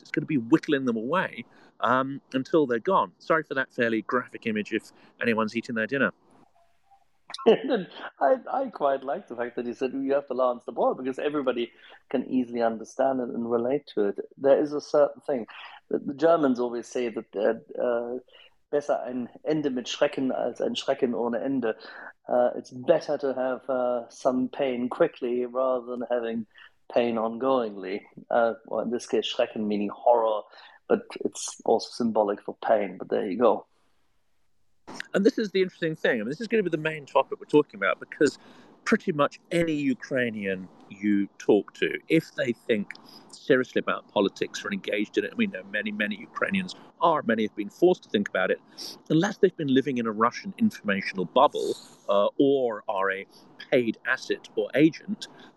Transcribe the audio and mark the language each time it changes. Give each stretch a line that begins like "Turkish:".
English: It's going to be whittling them away until they're gone. Sorry for that fairly graphic image if anyone's eating their dinner. I quite like the fact that you said you have to lance the boil, because everybody can easily understand it and relate to it. There is a certain thing. The Germans always say that
German: besser ein Ende mit Schrecken als ein Schrecken ohne Ende.
English: It's better to have some pain quickly rather than having pain ongoingly. Well, in this case, Schrecken meaning horror, but it's also symbolic for pain. But there you go. And this is the interesting thing. I mean, this is going to be the main topic we're talking about, because pretty much any Ukrainian you talk to, if they think seriously about politics or engaged in it, and we know many, many Ukrainians are, many have been forced to think about it, unless they've been living in a Russian informational bubble or are a paid asset or agent,